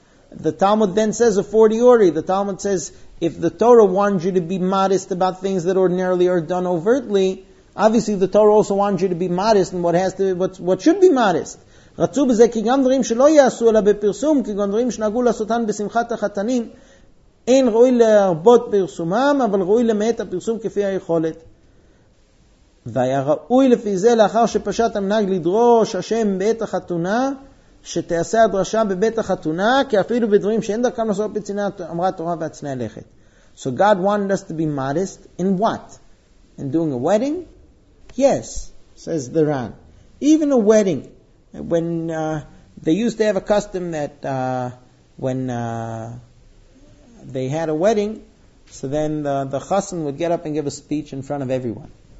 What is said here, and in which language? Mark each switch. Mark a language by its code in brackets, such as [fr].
[en] The Talmud then says a fortiori. The Talmud says if the Torah warns you to be modest about things that ordinarily are done overtly, obviously the Torah also warns you to be modest in what should be modest. [he] רצו בזה כי גם דברים שלא יעשו אלא בפרסום, כי גם דברים שנהגו לעשותן בשמחת החתנים, אין ראוי להרבות פרסומם, אבל ראוי למעט הפרסום כפי היכולת. והיה ראוי לפי זה לאחר שפשט המנהג לדרוש השם בעת החתונה, שתעשה הדרשה בבית החתונה, כי אפילו בדברים שאין דרכם לעשות בצנעה, אמרה תורה והצנע לכת. [en] So God wanted us to be modest in what? In doing a wedding? Yes, says the Ran. Even a wedding. When they used to have a custom that when they had a wedding, so then the chassan would get up and give a speech in front of everyone.